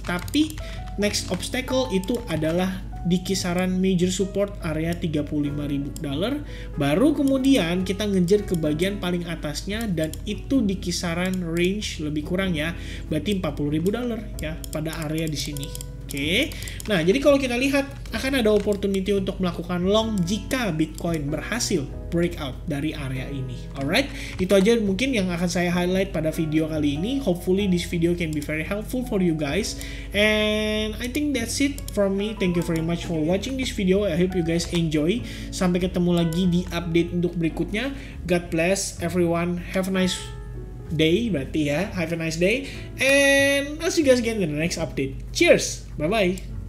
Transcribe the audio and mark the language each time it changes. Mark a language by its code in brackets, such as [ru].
[id] Tapi [en] next obstacle [id] itu adalah di kisaran [en] major support area [id] $35,000, baru kemudian kita ngejar ke bagian paling atasnya, dan itu di kisaran range lebih kurang ya berarti $40,000 ya pada area di sini. Oke. Nah, jadi kalau kita lihat akan ada opportunity untuk melakukan long jika Bitcoin berhasil breakout dari area ini. Alright, itu aja mungkin yang akan saya highlight pada video kali ini. [en] Hopefully this video can be very helpful for you guys. And I think that's it from me. Thank you very much for watching this video. I hope you guys enjoy. [id] Sampai ketemu lagi di update untuk berikutnya. [en] God bless everyone. Have a nice day, [id] berarti ya. [en] Have a nice day. And I'll see you guys again in the next update. Cheers. Bye-bye.